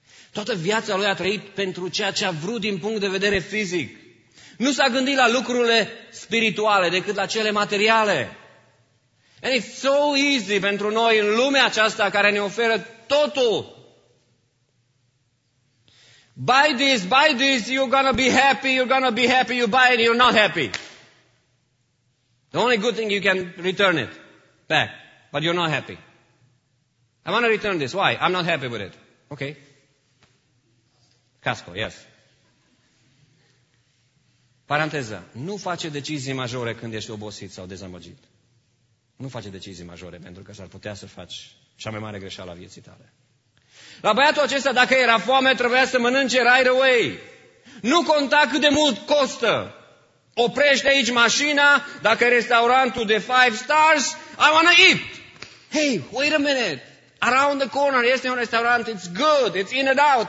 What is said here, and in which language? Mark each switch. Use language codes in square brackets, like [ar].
[ro] Toată viața lui a trăit pentru ceea ce a vrut din punct de vedere fizic. Nu s-a gândit la lucrurile spirituale, decât la cele materiale. And it's so easy pentru noi în lumea aceasta care ne oferă totul. [en] Buy this, you're gonna be happy, you buy it, you're not happy. The only good thing you can return it back, but you're not happy. I want to return this. Why? I'm not happy with it. Okay. Casco, yes. [ro] Paranteză. Nu face decizii majore când ești obosit sau dezamăgit. Nu face decizii majore pentru că s-ar putea să faci cea mai mare greșeală a vieții tale. La băiatul acesta, dacă era foame, trebuia să mănânce right away. Nu conta cât de mult costă. Oprește aici mașina, dacă e restaurantul de 5 stars, I want to eat. [en] Hey, wait a minute. Around the corner, este un restaurant, it's good, it's in and out.